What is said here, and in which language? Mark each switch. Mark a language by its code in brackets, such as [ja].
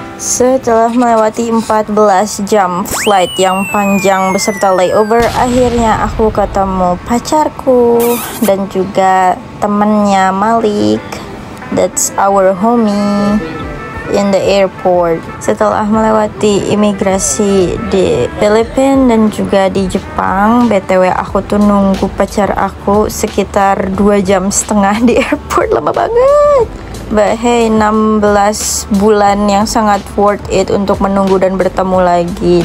[id] Setelah melewati 14 jam flight yang panjang beserta layover, akhirnya aku ketemu pacarku dan juga temennya Malik. [en] That's our homie in the airport. [id] Setelah melewati imigrasi di Filipina dan juga di Jepang, BTW aku tuh nunggu pacar aku sekitar 2 jam setengah di airport, lama banget. [en] But hey, [id] 16 bulan yang sangat [en] worth it [id] untuk menunggu dan bertemu lagi.